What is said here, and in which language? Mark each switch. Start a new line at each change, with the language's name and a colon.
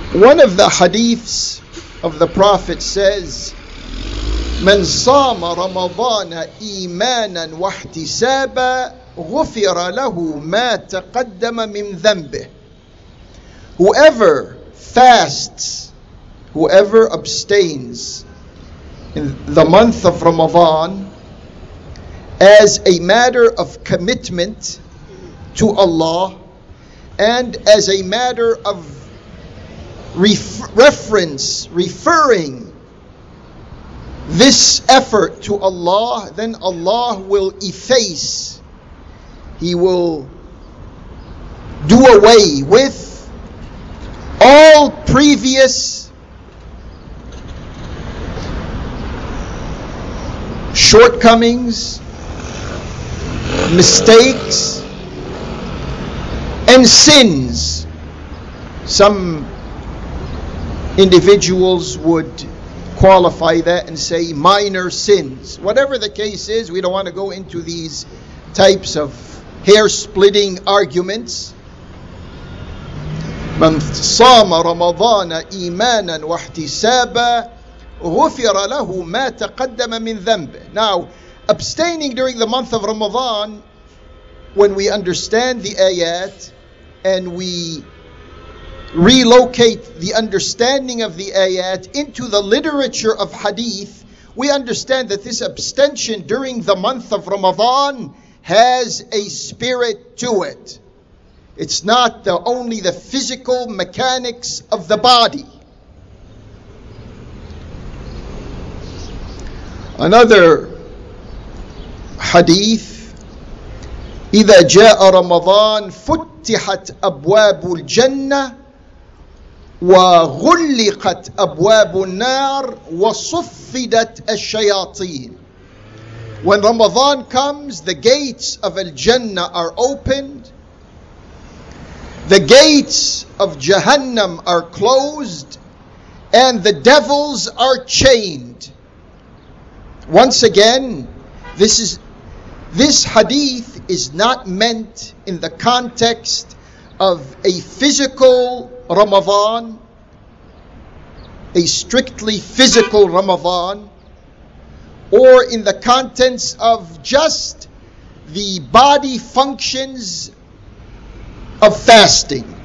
English: One of the hadiths of the Prophet says,
Arabic: من صام رمضان إيمانا واحتسابا غفر له ما تقدم من ذنبه.
English: Whoever fasts, whoever abstains in the month of Ramadan as a matter of commitment to Allah and as a matter of referring this effort to Allah, then Allah will efface, He will do away with all previous shortcomings, mistakes, and sins. Some individuals would qualify that and say minor sins. Whatever the case is, we don't want to go into these types of hair-splitting arguments.
Arabic: من صام رمضان إيمانا واحتسابا غفر له ما تقدم من ذنبه.
English: Now, abstaining during the month of Ramadan, when we understand the ayat and we relocate the understanding of the ayat into the literature of hadith, we understand that this abstention during the month of Ramadan has a spirit to it. It's not only the physical mechanics of the body. Another hadith,
Arabic: إذا جاء رمضان فتحت أبواب الجنة وغلقت أبواب النار وصفدت الشياطين.
English: When Ramadan comes, the gates of Al-Jannah are opened, the gates of Jahannam are closed, and the devils are chained. Once again, this hadith is not meant in the context of a physical Ramadan, a strictly physical Ramadan, or in the contents of just the body functions of fasting.